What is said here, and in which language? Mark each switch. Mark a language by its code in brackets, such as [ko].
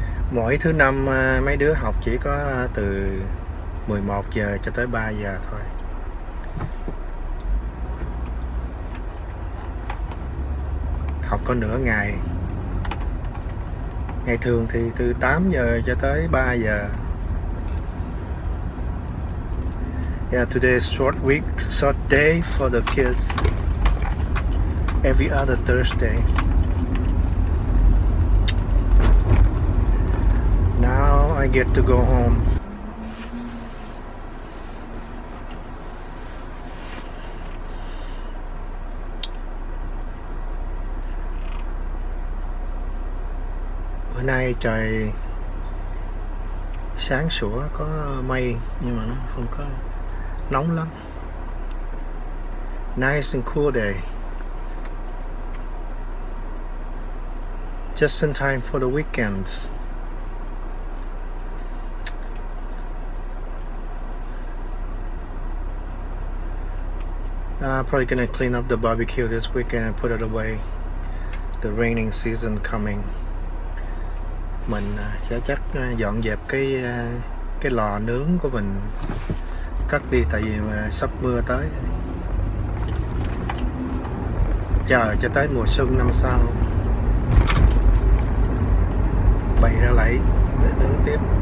[vi] Mỗi thứ năm mấy đứa học chỉ có từ 11 giờ cho tới 3 giờ thôi. Học có nửa ngày. Ngày thường thì từ 8 giờ cho tới 3 giờ. [en] Yeah, today is short week, short day for the kids. Every other Thursday. Now I get to go home. [vi] Bữa nay trời sáng sủa có mây nhưng mà nó không có nóng lắm. [en] Nice and cool day. Just in time for the weekends. I'm probably gonna clean up the barbecue this weekend and put it away. The raining season coming. [vi] Mình sẽ chắc dọn dẹp cái lò nướng của mình cất đi tại vì sắp mưa tới. Chờ cho tới mùa xuân năm sau bày ra lấy để nướng tiếp.